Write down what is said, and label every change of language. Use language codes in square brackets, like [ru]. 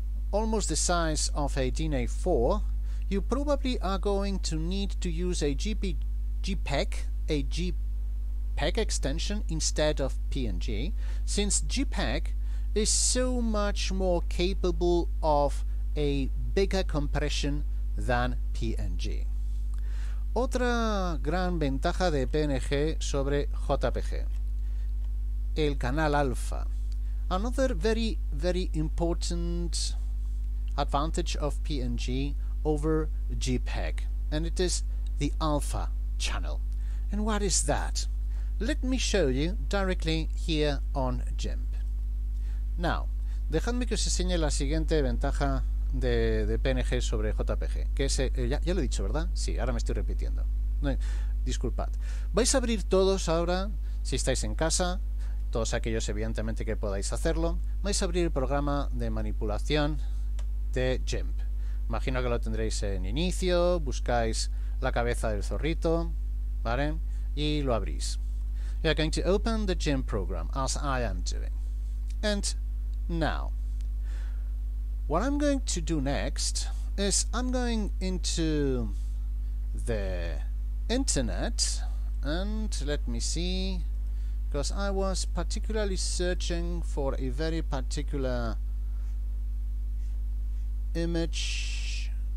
[en] almost the size of a DNA4, you probably are going to need to use a JPEG extension instead of PNG, since JPEG is so much more capable of a bigger compression than PNG. [es] Otra gran ventaja de PNG sobre JPG: el canal alfa. [en] Another very, very important advantage of PNG over JPEG, and it is the alpha channel. And what is that? Let me show you directly here on GIMP. [es] Now, dejadme que os enseñe la siguiente ventaja de PNG sobre JPG, que es, ya lo he dicho, ¿verdad? Sí, ahora me estoy repitiendo. No, disculpad. Vais a abrir todos ahora, si estáis en casa, todos aquellos evidentemente que podáis hacerlo, vais a abrir el programa de manipulación de GIMP. Imagino que lo tendréis en inicio, buscáis la cabeza del zorrito, ¿vale? Y lo abrís. [en] You are going to open the GIMP program, as I am doing. And now, what I'm going to do next is I'm going into the internet, and let me see, because I was particularly searching for a very particular image.